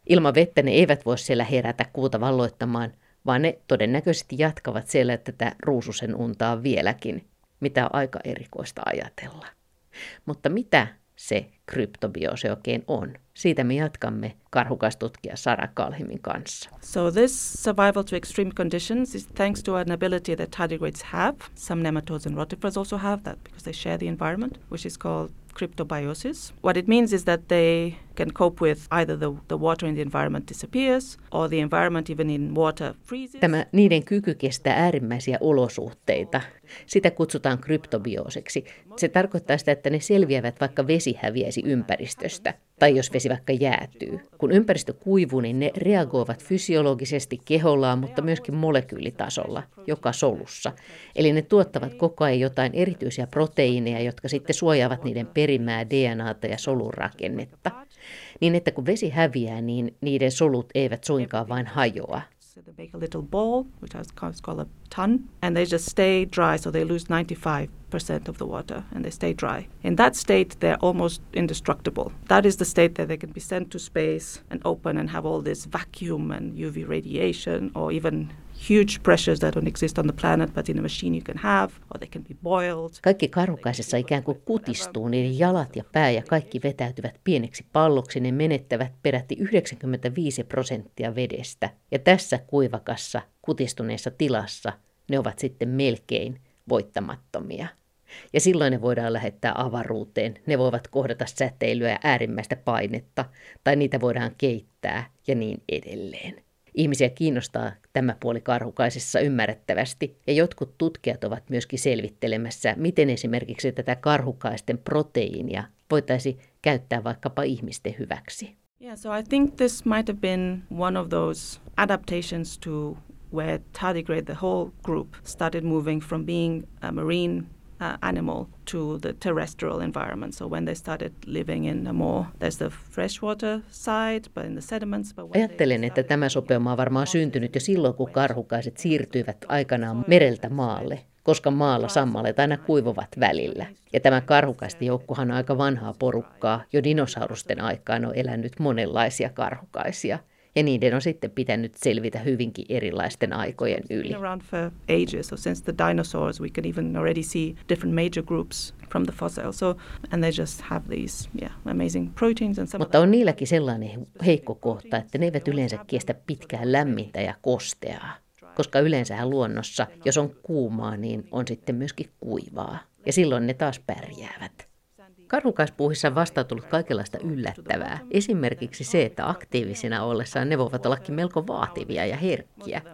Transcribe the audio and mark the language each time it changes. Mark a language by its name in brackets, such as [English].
[Finnish] Ilman vettä ne eivät voi siellä herätä kuuta valloittamaan, vaan ne todennäköisesti jatkavat siellä tätä ruususen untaa vieläkin, mitä on aika erikoista ajatella. Mutta mitä se kryptobioosi oikein on? Siitä me jatkamme karhukaistutkija Sara Kalhimin kanssa. [English] So this survival to extreme conditions is thanks to an ability that tardigrades have. Some nematodes and rotifers also have that because they share the environment, which is called cryptobiosis. What it means is that they can cope with either the water in the environment disappears or the environment even in water freezes. [Finnish] Tämä niiden kyky kestää äärimmäisiä olosuhteita. Sitä kutsutaan kryptobiooseksi. Se tarkoittaa sitä, että ne selviävät vaikka vesi häviäisi ympäristöstä tai jos vesi vaikka jäätyy. Kun ympäristö kuivuu, niin ne reagoivat fysiologisesti kehollaan, mutta myöskin molekyylitasolla, joka solussa. Eli ne tuottavat koko ajan jotain erityisiä proteiineja, jotka sitten suojaavat niiden perimää DNAta ja solun rakennetta. Niin että kun vesi häviää, niin niiden solut eivät suinkaan vain hajoa. [English] They make a little ball, which is called a tun, and they just stay dry, so they lose 95% of the water, and they stay dry. In that state, they're almost indestructible. That is the state that they can be sent to space and open and have all this vacuum and UV radiation, or even huge pressures that don't exist on the planet, but in a machine you can have, or they can be boiled. [Finnish] Kaikki karhukaisessa ikään kuin kutistuu, niiden jalat ja pää ja kaikki vetäytyvät pieneksi palloksi, ne menettävät peräti 95% vedestä. Ja tässä kuivakassa, kutistuneessa tilassa ne ovat sitten melkein voittamattomia. Ja silloin ne voidaan lähettää avaruuteen, ne voivat kohdata säteilyä ja äärimmäistä painetta, tai niitä voidaan keittää ja niin edelleen. Ihmisiä kiinnostaa tämä puoli karhukaisessa ymmärrettävästi, ja jotkut tutkijat ovat myöskin selvittelemässä, miten esimerkiksi tätä karhukaisten proteiinia voitaisiin käyttää vaikkapa ihmisten hyväksi. [English] Yeah, so I think this might have been one of those adaptations to where tardigrade, the whole group, started moving from being a marine animal to the terrestrial environment. So when they started living in a more, there's the freshwater side, but in the sediments. [Finnish] Ajattelen, että tämä sopeuma on varmaan syntynyt jo silloin, kun karhukaiset siirtyivät aikanaan mereltä maalle, koska maalla sammalet aina kuivuvat välillä. Ja tämä karhukaisten joukkohan on aika vanhaa porukkaa. Jo dinosaurusten aikaan on elänyt monenlaisia karhukaisia. Ja niiden on sitten pitänyt selvitä hyvinkin erilaisten aikojen yli. [English] Around for ages, so since the dinosaurs, we can even already see different major groups from the fossils. So, and they just have these, yeah, amazing proteins and some. [Finnish] Mutta on niilläkin sellainen heikko kohta, että ne eivät yleensä kestä pitkään lämmintä ja kosteaa. Koska yleensähän luonnossa, jos on kuumaa, niin on sitten myöskin kuivaa. Ja silloin ne taas pärjäävät. Karhukaispuuhissa on vastaantunut kaikenlaista yllättävää. Esimerkiksi se, että aktiivisina ollessaan ne voivat ollakin melko vaativia ja herkkiä.